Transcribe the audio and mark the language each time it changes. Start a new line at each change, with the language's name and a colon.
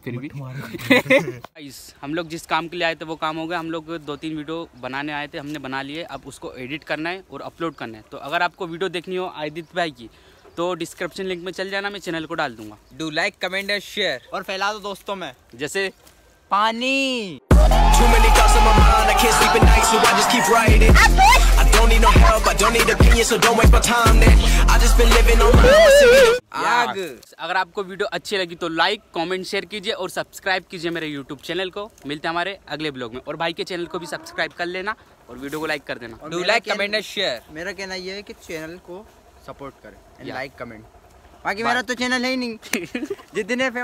Hindi: फिर भी हम लोग जिस काम के लिए आए थे वो काम हो गया। हम लोग दो तीन वीडियो बनाने आए थे, हमने बना लिए। अब उसको एडिट करना है और अपलोड करना है। तो अगर आपको वीडियो देखनी हो आदित्य भाई की, तो डिस्क्रिप्शन लिंक में चल जाना, मैं चैनल को डाल दूंगा।
English: do like, comment and share,
Hindi: और फैला दो दोस्तों में जैसे पानी।
English: I can't sleep at night, so I just keep writing. I don't need no help, I don't need opinion, so don't waste my time then. I just been living on my own.
Hindi: आग। अगर आपको video अच्छी लगी तो like, comment, share कीजिए और subscribe कीजिए मेरे YouTube चैनल को। मिलते हैं हमारे अगले ब्लॉग में। और भाई के चैनल को भी सब्सक्राइब कर लेना और वीडियो को लाइक कर देना।
English: Do like, comment and share.
Hindi: मेरा कहना ये है कि चैनल को सपोर्ट करें
English: And like comment.
Hindi: बाकी मेरा तो चैनल है ही नहीं जितने फेमस